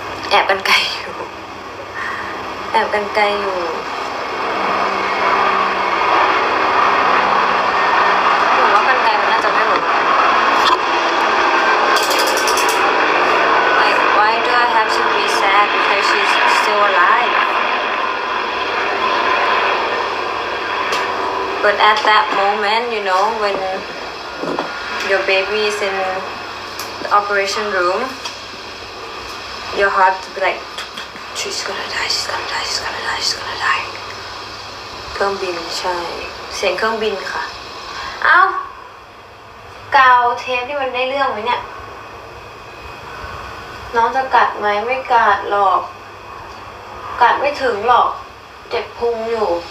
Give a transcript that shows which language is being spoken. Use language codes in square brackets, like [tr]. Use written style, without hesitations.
[th] แอบกันไกลอยู่ แอบกันไกลอยู่ หนูว่ากันไกลมันน่าจะไม่หลุด [en] Like, why do I have to be sad because she's still alive? But at that moment, you know, when your baby is in the operation room, your heart will be like, she's gonna die, she's gonna die, she's gonna die, she's gonna die. [th] เครื่องบินใช่เสียงเครื่องบินค่ะเอ้าเกาเทปที่มันได้เรื่องไหมเนี่ยน้องจะกัดไหมไม่กัดหรอก กัดไม่ถึงหรอกเจ็บพุงอยู